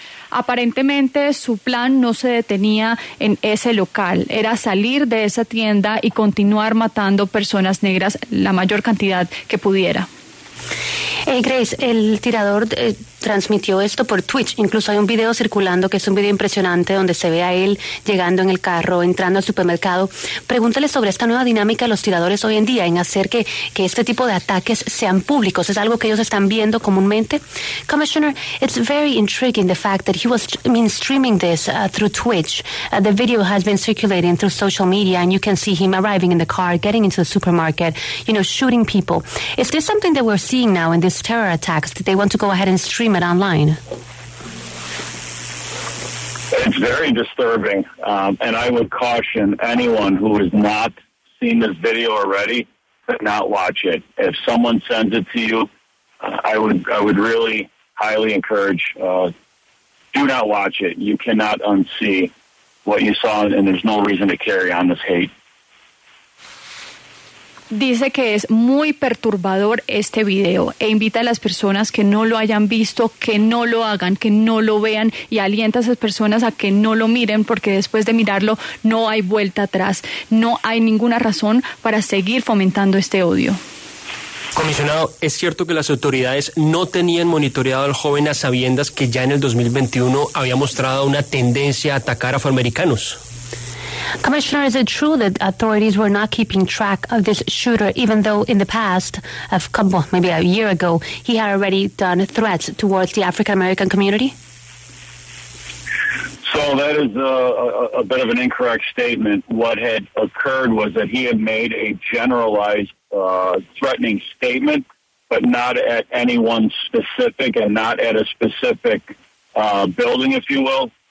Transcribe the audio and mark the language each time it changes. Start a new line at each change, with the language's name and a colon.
Spanish: Aparentemente su plan no se detenía en ese local, era salir de esa tienda y continuar matando personas negras la mayor cantidad que pudiera. Grace, el tirador transmitió esto por Twitch, incluso hay un video circulando que es un video impresionante donde se ve a él llegando en el carro, entrando al supermercado. Pregúntale sobre esta nueva dinámica de los tiradores hoy en día en hacer que este tipo de ataques sean públicos. ¿Es algo que ellos están viendo comúnmente?
English: Commissioner, it's very intriguing the fact that he was streaming this through Twitch. The video has been circulating through social media and you can see him arriving in the car, getting into the supermarket, you know, shooting people. Is this something that we're seeing now in these terror attacks, that they want to go ahead and stream it online? It's very disturbing, and I would caution anyone who has not seen this video already to not watch it. If someone sends it to you, I would really highly encourage, do not watch it. You cannot unsee what you saw, and there's no reason to carry on this hate.
Spanish: dice que es muy perturbador este video e invita a las personas que no lo hayan visto, que no lo hagan, que no lo vean, y alienta a esas personas a que no lo miren, porque después de mirarlo no hay vuelta atrás, no hay ninguna razón para seguir fomentando este odio. Comisionado, ¿es cierto que las autoridades no tenían monitoreado al joven a sabiendas que ya en el 2021 había mostrado una tendencia a atacar afroamericanos?
English: Commissioner, is it true that authorities were not keeping track of this shooter, even though in the past, maybe a year ago, he had already done threats towards the African-American community? So that is a bit of an incorrect statement. What had occurred was that he had made a generalized threatening statement, but not at anyone specific and not at a specific building, if you will.